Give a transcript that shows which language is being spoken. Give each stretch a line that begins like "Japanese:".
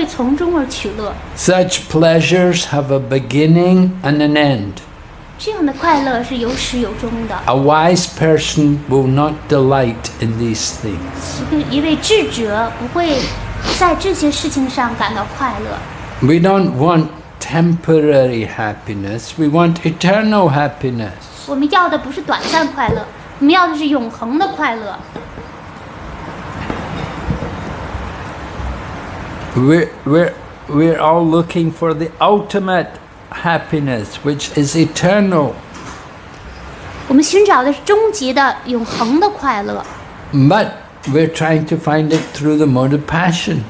Chinese: 国家梵歌当中，主Krishna说，有智者的人，他们不会从这种有始有终的感官与感官对象的接触当中取得的快乐，不会从中而取乐。
English: Such pleasures have a beginning and an end.
Chinese: 这样的快乐是有始有终的。
English: A wise person will not delight in these things.
Chinese: 一位智者不会在这些事情上感到快乐。
English: We don't want temporary happiness, we want eternal happiness.
Chinese: 我们要的不是短暂快乐, 我们要的是永恒的快乐。
English: We're all looking for the ultimate happiness, which is eternal.
Chinese: 我们寻找的是终极的永恹的快乐。
English: But we're trying to find it through the mode of passion.